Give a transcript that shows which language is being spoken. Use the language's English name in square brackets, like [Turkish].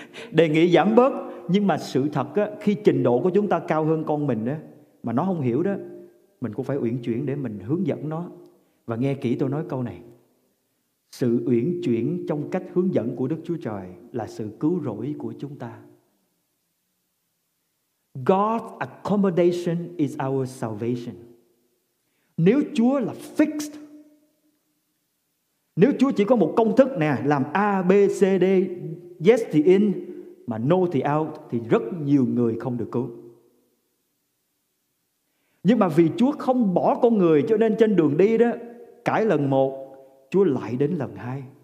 [Vietnamese] Đề nghị giảm bớt. Nhưng mà sự thật á, khi trình độ của chúng ta cao hơn con mình á, mà nó không hiểu đó, mình cũng phải uyển chuyển để mình hướng dẫn nó. Và nghe kỹ tôi nói câu này, sự uyển chuyển trong cách hướng dẫn của Đức Chúa Trời là sự cứu rỗi của chúng ta. [English] God's accommodation is our salvation. [Vietnamese] Nếu Chúa là fixed, nếu Chúa chỉ có một công thức nè, làm A, B, C, D, yes thì in, mà no thì out, thì rất nhiều người không được cứu. Nhưng mà vì Chúa không bỏ con người, cho nên trên đường đi đó, cãi lần một, Chúa lại đến lần hai.